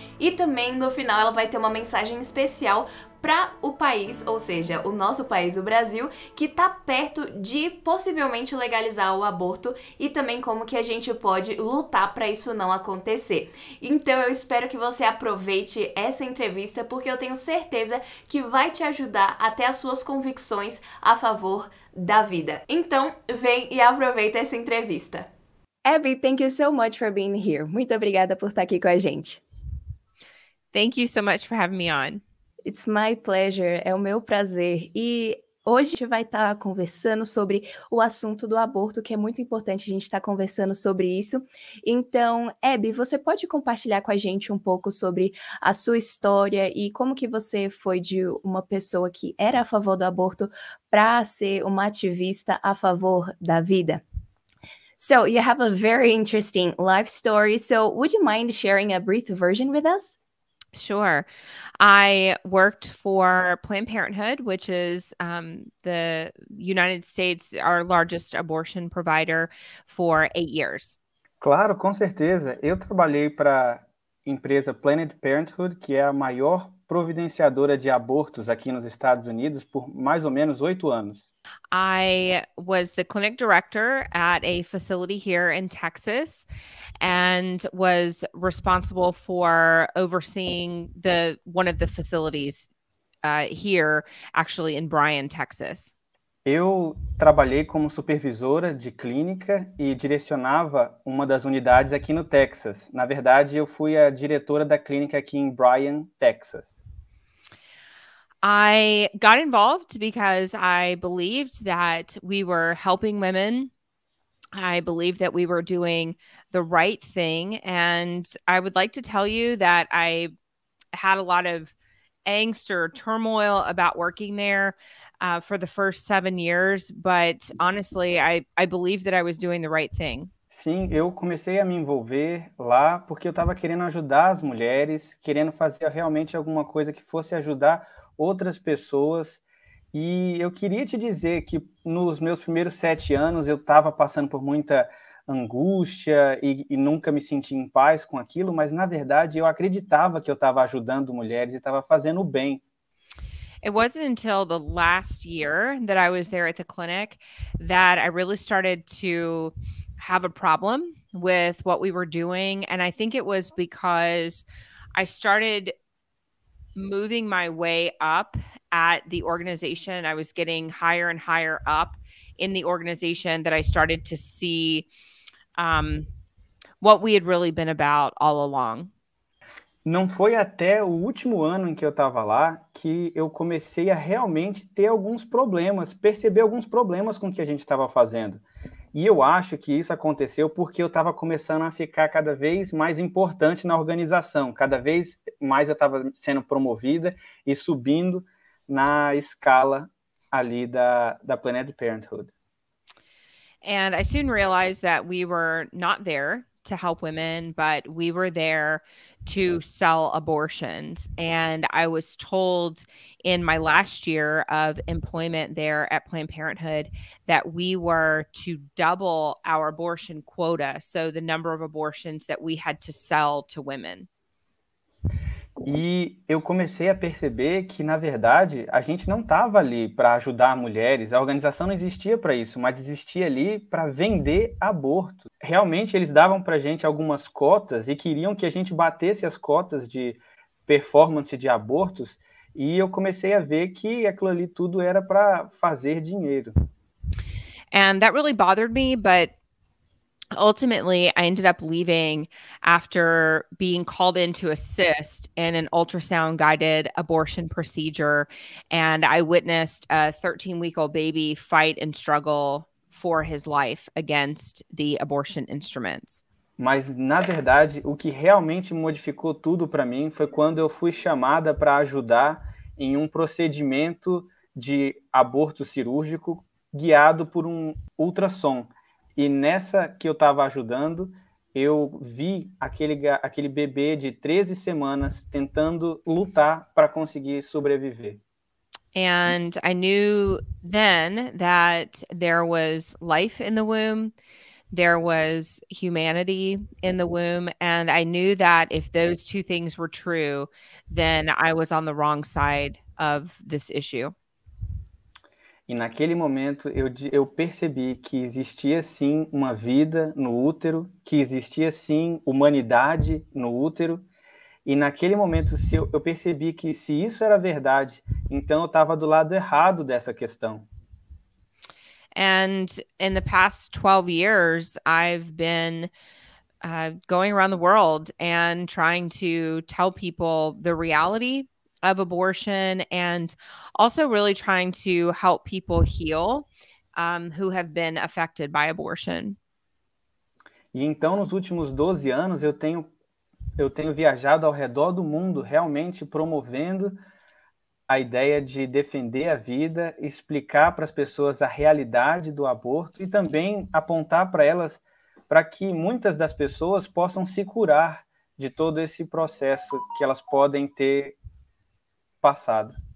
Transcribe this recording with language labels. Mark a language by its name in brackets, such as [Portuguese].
[Portuguese] E também no final ela vai ter uma mensagem especial para o país, ou seja, o nosso país, o Brasil, que tá perto de possivelmente legalizar o aborto, e também como que a gente pode lutar para isso não acontecer. Então eu espero que você aproveite essa entrevista, porque eu tenho certeza que vai te ajudar a ter as suas convicções a favor da vida. Então vem e aproveita essa entrevista. [English] Abby, thank you so much for being here. [Portuguese] Muito obrigada por estar aqui com a gente. [English] Thank you so much for having me on. It's my pleasure. [Portuguese] É o meu prazer. E hoje a gente vai estar conversando sobre o assunto do aborto, que é muito importante a gente estar conversando sobre isso. Então, Abby, você pode compartilhar com a gente um pouco sobre a sua história e como que você foi de uma pessoa que era a favor do aborto para ser uma ativista a favor da vida? [English] So, you have a very interesting life story. So, would you mind sharing a brief version with us? Sure. I worked for Planned Parenthood, which is the United States, our largest abortion provider, for 8 years. [Portuguese] Claro, com certeza. Eu trabalhei para a empresa Planned Parenthood, que é a maior providenciadora de abortos aqui nos Estados Unidos, por mais ou menos 8 anos. [English] I was the clinic director at a facility here in Texas and was responsible for overseeing one of the facilities here, actually in Bryan, Texas. [Portuguese] Eu trabalhei como supervisora de clínica e direcionava uma das unidades aqui no Texas. Na verdade, eu fui a diretora da clínica aqui em Bryan, Texas. [English] I got involved because I believed that we were helping women. I believed that we were doing the right thing. And I would like to tell you that I had a lot of angst or turmoil about working there for the first 7 years. But honestly, I believed that I was doing the right thing. [Portuguese] Sim, eu comecei a me envolver lá porque eu estava querendo ajudar as mulheres, querendo fazer realmente alguma coisa que fosse ajudar outras pessoas, e eu queria te dizer que nos meus primeiros 7 anos eu estava passando por muita angústia e nunca me senti em paz com aquilo, mas na verdade eu acreditava que eu estava ajudando mulheres e estava fazendo o bem. [English] It wasn't until the last year that I was there at the clinic that I really started to have a problem with what we were doing, and I think it was because I started moving my way up at the organization. I was getting higher and higher up in the organization that I started to see what we had really been about all along. [Portuguese] Não foi até o último ano em que eu estava lá que eu comecei a realmente ter alguns problemas, perceber alguns problemas com o que a gente estava fazendo. E eu acho que isso aconteceu porque eu estava começando a ficar cada vez mais importante na organização. Cada vez mais eu estava sendo promovida e subindo na escala ali da Planned Parenthood. [English] And I soon realized that we were not there to help women, but we were there to sell abortions. And I was told in my last year of employment there at Planned Parenthood that we were to double our abortion quota, so the number of abortions that we had to sell to women. [Portuguese] E eu comecei a perceber que, na verdade, a gente não estava ali para ajudar mulheres. A organização não existia para isso, mas existia ali para vender aborto. Realmente, eles davam para a gente algumas cotas e queriam que a gente batesse as cotas de performance de abortos. E eu comecei a ver que aquilo ali tudo era para fazer dinheiro. [English] And that really bothered me, but ultimately, I ended up leaving after being called in to assist in an ultrasound-guided abortion procedure, and I witnessed a 13-week-old baby fight and struggle for his life against the abortion instruments. [Portuguese] Mas, na verdade, o que realmente modificou tudo para mim foi quando eu fui chamada para ajudar em um procedimento de aborto cirúrgico guiado por um ultrassom. E nessa que eu estava ajudando, eu vi aquele bebê de 13 semanas tentando lutar para conseguir sobreviver. [English] And I knew then that there was life in the womb, there was humanity in the womb, and I knew that if those two things were true, then I was on the wrong side of this issue. [Portuguese] E naquele momento eu percebi que existia sim uma vida no útero, que existia sim humanidade no útero. E naquele momento eu percebi que se isso era verdade, então eu estava do lado errado dessa questão. [English] And in the past 12 years, I've been going around the world and trying to tell people the reality of abortion, and also really trying to help people heal who have been affected by abortion. [Portuguese] E então, nos últimos 12 anos, eu tenho viajado ao redor do mundo realmente promovendo a ideia de defender a vida, explicar para as pessoas a realidade do aborto e também apontar para elas para que muitas das pessoas possam se curar de todo esse processo que elas podem ter passado.